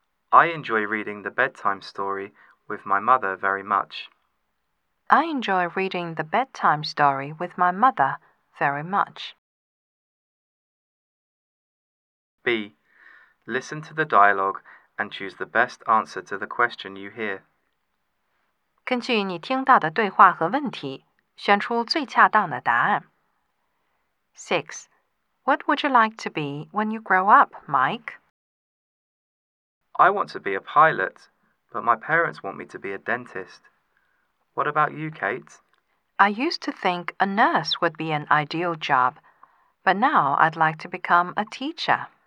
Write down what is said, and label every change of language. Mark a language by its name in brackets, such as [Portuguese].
[English] I enjoy reading the bedtime story with my mother very much. I enjoy reading the bedtime story with my mother. Very much. B. Listen to the dialogue and choose the best answer to the question you hear. [Chinese] 根据你听到的对话和问题，选出最恰当的答案。 6. [English] What would you like to be when you grow up, Mike? I want to be a pilot, but my parents want me to be a dentist. What about you, Kate? I used to think a nurse would be an ideal job, but now I'd like to become a teacher.